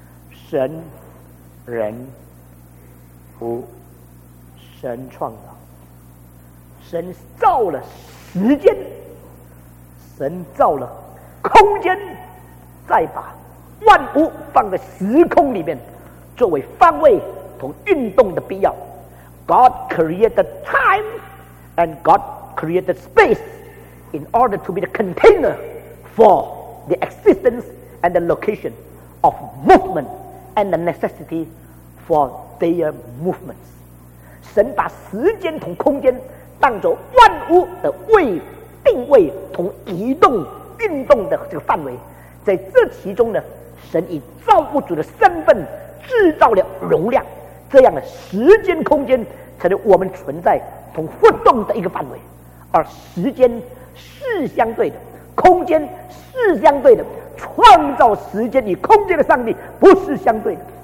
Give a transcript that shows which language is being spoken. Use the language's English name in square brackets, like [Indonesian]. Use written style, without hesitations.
[Chinese] 神人无，神创造，神造了时间，神造了空间，再把万物放在时空里面作为方位同运动的必要。 [English] God created time and God created space in order to be the container for the existence and the location of movement and the necessity for their movements。 [Chinese] 神把时间同空间当作万物的位定位同移动运动的这个范围，在这其中呢，神以造物主的身份制造了容量，这样的时间空间成了我们存在同活动的一个范围，而时间是相对的，空间是相对的，创造时间与空间的上帝不是相对的。